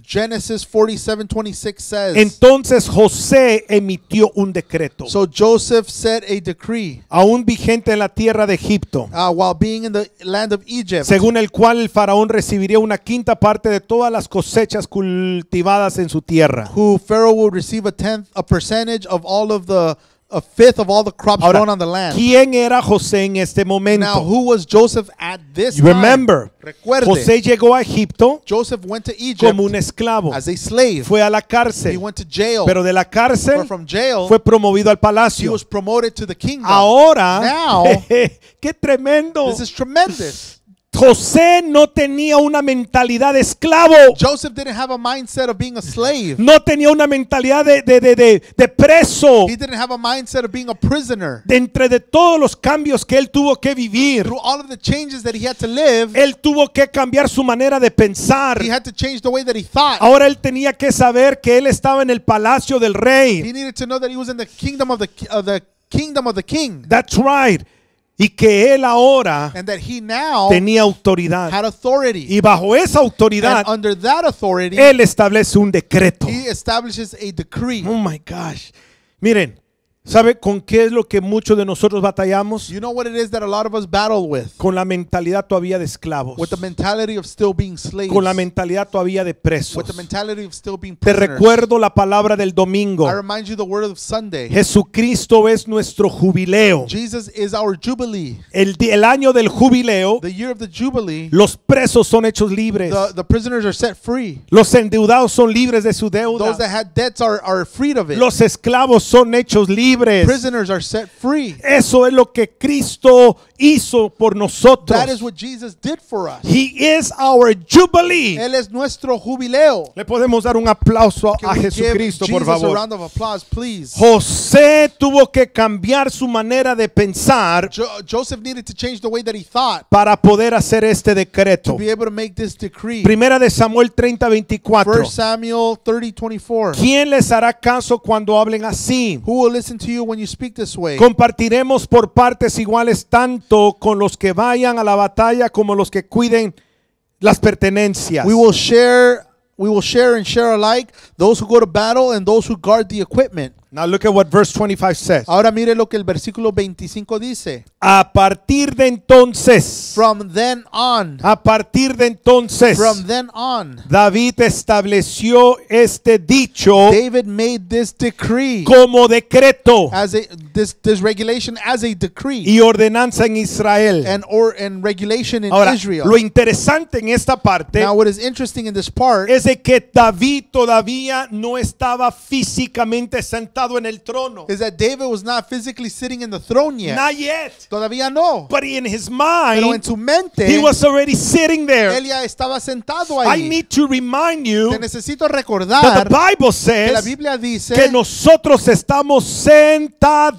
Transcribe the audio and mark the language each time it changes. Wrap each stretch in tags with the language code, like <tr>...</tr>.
<en>Genesis 47:26 says.</en> <es>Entonces José emitió un decreto.</es> <en>So Joseph set a decree.</en> <es>Aún vigente en la tierra de Egipto.</es> <en>While being in the land of Egypt.</en> <es>Según el cual el faraón recibiría una quinta parte de todas las cosechas cultivadas en su tierra.</es> <en>Who Pharaoh will receive a percentage of all of the a fifth of all the crops</en> <es>ahora,</es> <en>grown on the land.</en> <es>¿Quién era José en este momento?</es> <en>Now, who was Joseph at this time? Remember,</en> <es>recuerde, José llegó a Egipto.</es> <en>Joseph went to Egypt</en> <es>como un esclavo.</es> <en>As a slave.</en> <es>Fue a la cárcel.</es> <en>He went to jail.</en> <es>Pero de la cárcel</es> <en>from jail,</en> <es>fue promovido al palacio.</es> <en>He was promoted to the kingdom.</en> <es>Ahora,</es> <en>now,</en> <es>qué tremendo.</es> <en>This is tremendous.</en> <es>José no tenía una mentalidad de esclavo.</es> <en>Joseph didn't have a mindset of being a slave.</en> <es>No tenía una mentalidad de preso.</es> <en>He didn't have a mindset of being a prisoner.</en> <es>Dentro de todos los cambios que él tuvo que vivir.</es> <en>Through all of the changes that he had to live.</en> <es>Él tuvo que cambiar su manera de pensar.</es> <en>He had to change the way that he thought.</en> <es>Ahora él tenía que saber que él estaba en el palacio del rey.</es> <en>He needed to know that he was in the kingdom of the kingdom of the king. That's right.</en> <es>Y que él ahora</es> <en>and that he now</en> <es>tenía autoridad</es> <en>had authority.</en> <es>Y bajo esa autoridad</es> <en>and under that authority,</en> <es>él establece un decreto.</es> <en>He establishes a decree. Oh my gosh. Miren,</en> <es>¿Sabe con qué es lo que muchos de nosotros batallamos?</es> <en>You know what it is that a lot of us battle with?</en> <es>Con la mentalidad todavía de esclavos.</es> <en>With the mentality of still being slaves.</en> <es>Con la mentalidad todavía de presos.</es> <en>With the mentality of still being</en> <es>prisoners. Te recuerdo la palabra del domingo.</es> <en>I remind you the word of Sunday.</en> <es>Jesucristo es nuestro jubileo.</es> <en>Jesus is our jubilee.</en> <es>El año del jubileo.</es> <en>The year of the jubilee.</en> <es>Los presos son hechos libres.</es> <en>The prisoners are set free.</en> <es>Los endeudados son libres de su deuda.</es> <en>Those that had debts are freed of it.</en> <es>Los esclavos son hechos libres.</es> <en>Prisoners are set free.</en> <es>Eso es lo que Cristo hizo por nosotros.</es> <en>That is what Jesus did for us. He is our jubilee.</en> <es>Él es nuestro jubileo. Le podemos dar un aplauso a Jesucristo, por favor.</es> <en>Give Jesus a round of applause, please.</en> <es>José tuvo que cambiar su manera de pensar.</es> <en>Joseph needed to change the way that he thought.</en> <es>Para poder hacer este decreto.</es> <en>To be able to make this decree.</en> <es>Primera de Samuel 30:24.</es> <en>First Samuel 30:24.</en> <es>¿Quién les hará caso cuando hablen así?</es> <en>Who will listen to you when you speak this way?</en> <es>Compartiremos por partes iguales tanto con los que vayan a la batalla como los que cuiden las pertenencias.</es> <en>We will share alike those who go to battle and those who guard the equipment. Now look at what verse 25 says.</en> <es>Ahora mire lo que el versículo 25 dice. A partir de entonces.</es> <en>From then on.</en> <es>A partir de entonces.</es> <en>From then on.</en> <es>David estableció este dicho.</es> <en>David made this decree.</en> <es>Como decreto.</es> <en>As a this regulation as a decree.</en> <es>Y ordenanza en Israel.</es> <en>And regulation in</en> <es>Ahora,</es> <en>Israel.</en> <es>Lo interesante en esta parte.</es> <en>Now what is interesting in this part.</en> <es>Es de que David todavía no estaba físicamente sentado. En el trono.</es> <en>Is that David was not physically sitting in the throne yet. Not yet.</en> <es>Todavía no.</es> <en>But in his mind,</en> <es>pero en su mente,</es> <en>he was already sitting there.</en> <es>Él ya estaba sentado ahí.</es> <en>I need to remind you,</en> <es>te necesito recordar,</es> <en>that the Bible says,</en> <es>que la Biblia dice, que nosotros estamos sentados,</es>